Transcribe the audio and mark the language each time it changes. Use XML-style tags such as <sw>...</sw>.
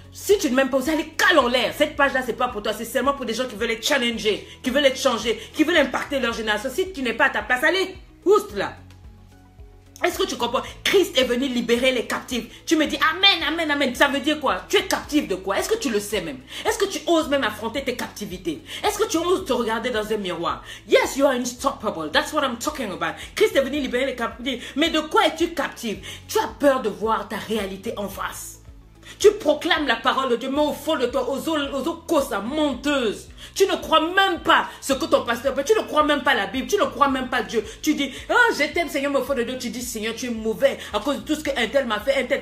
<fr>Si tu ne m'aimes pas, vous allez caler en l'air. Cette page-là, c'est pas pour toi. C'est seulement pour des gens qui veulent être challengés, qui veulent être changés, qui veulent impacter leur génération. Si tu n'es pas à ta place, allez, ouste là. Est-ce que tu comprends? Christ est venu libérer les captifs. Tu me dis amen, amen, amen. Ça veut dire quoi? Tu es captif de quoi? Est-ce que tu le sais même? Est-ce que tu oses même affronter tes captivités? Est-ce que tu oses te regarder dans un miroir?</fr> <en>Yes, you are unstoppable. That's what I'm talking about.</en> <fr>Christ est venu libérer les captifs. Mais de quoi es-tu captif? Tu as peur de voir ta réalité en face. Tu proclames la parole de Dieu, mais au fond de toi, aux eaux causes, menteuses. Tu ne crois même pas ce que ton pasteur fait. Tu ne crois même pas la Bible. Tu ne crois même pas Dieu. Tu dis, oh, je t'aime, Seigneur, mais au fond de Dieu, tu dis, Seigneur, tu es mauvais à cause de tout ce qu'un tel m'a fait. Un tel.</fr>